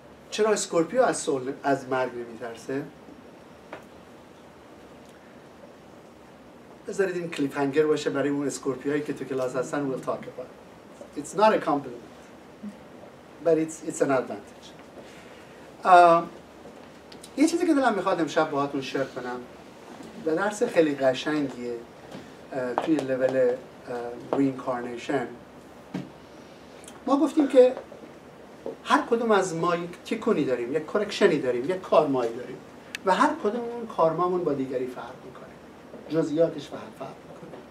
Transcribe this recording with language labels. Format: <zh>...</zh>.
<fa>چرا اسکورپیو از سول از مرگ نمیترسه؟ بذارید این کلیف هنگر باشه برای اون اسکورپیوهایی که تو کلاس هستن،</fa> <en>we'll talk about it. It's not a compliment but it's an advantage.</en> <fa>یه چیزی که دلم میخواد امشب باهاتون شیر کنم، به درس خیلی قشنگیه توی لول reincarnation. ما گفتیم که هر کدوم از ما یک تیکونی داریم، یک کارکشنی داریم، یک کارمایی داریم و هر کدوم اون کارمامون با دیگری فرق میکنه، جزئیاتش فرق میکنه.</fa>